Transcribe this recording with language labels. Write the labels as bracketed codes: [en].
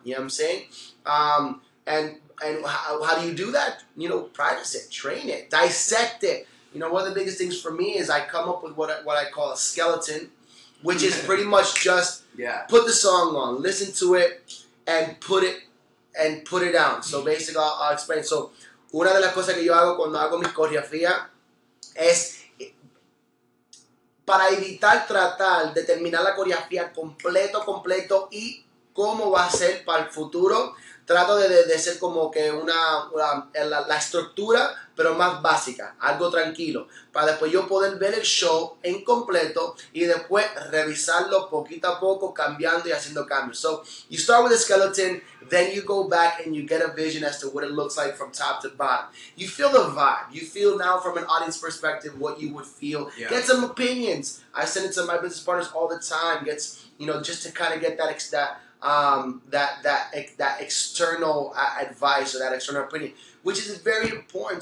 [en] You know what I'm saying? And how do you do that? You know, practice it, train it, dissect it. You know, one of the biggest things for me is I come up with what I call a skeleton, which is pretty much just put the song on, listen to it, and put it down. So basically, I'll explain. [es] So una de las cosas que yo hago cuando hago mi coreografía es para evitar tratar de terminar la coreografía completo y cómo va a ser para el futuro. Trato de ser como que la estructura, pero más básica, algo tranquilo, para después yo poder ver el show en completo y después revisarlo poquito a poco, cambiando y haciendo cambios. [en] So you start with a skeleton, then you go back and you get a vision as to what it looks like from top to bottom. You feel the vibe. You feel now from an audience perspective what you would feel. Yeah. Get some opinions. I send it to my business partners all the time. Gets, you know, just to kind of get that external advice or that external opinion, which is very important.